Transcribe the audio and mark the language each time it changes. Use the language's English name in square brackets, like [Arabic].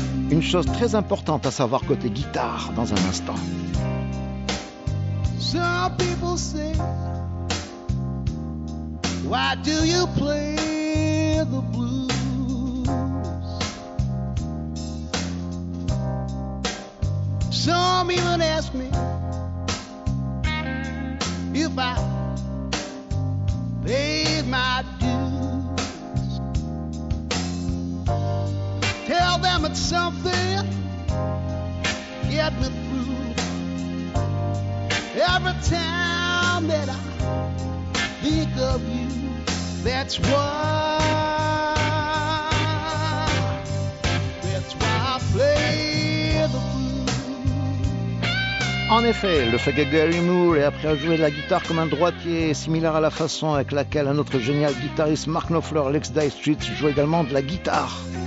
[French] Une chose très importante à savoir côté guitare dans un instant. [English] Some people say, why do you play the blues? Some even ask me if I paid my dues. Tell them it's something get me through. Every time that I think of you, that's why. That's why I play the blues. [French] En effet, le fait que Gary Moore ait appris à jouer de la guitare comme un droitier est similaire à la façon avec laquelle un autre génial guitariste, Mark Knopfler, l'ex Dire Straits, joue également de la guitare.